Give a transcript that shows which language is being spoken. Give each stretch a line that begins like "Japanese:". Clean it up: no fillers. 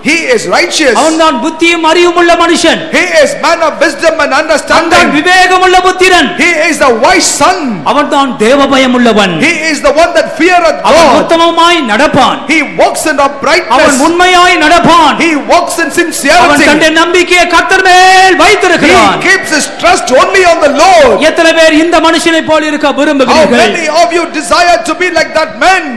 English: he is righteous
Tamil: avan dhaan buddhiyum ariyumulla manushan
English: he is man of wisdom and understanding
Tamil: விவேகமுள்ள Puthiran
English: he is the wise son
Tamil: அவர்தான் தேவபயமுள்ளவன்
English: he is the one that feareth god
Tamil: அவன் உத்தமமாய் நடப்பான்
English: he walks in uprightness
Tamil: அவன் உண்மையாய் நடப்பான்
English: he walks in sincerity
Tamil: அவன் தன்னுடைய நம்பிக்கையை கர்த்தர் மேல் வைத்திருக்கிறான்
English: he keeps his trust only on the lord
Tamil: எத்தனை பேர் இந்த மனுஷனை போல இருக்க விரும்புகிறீர்கள்
English: how many of you desire to be like that man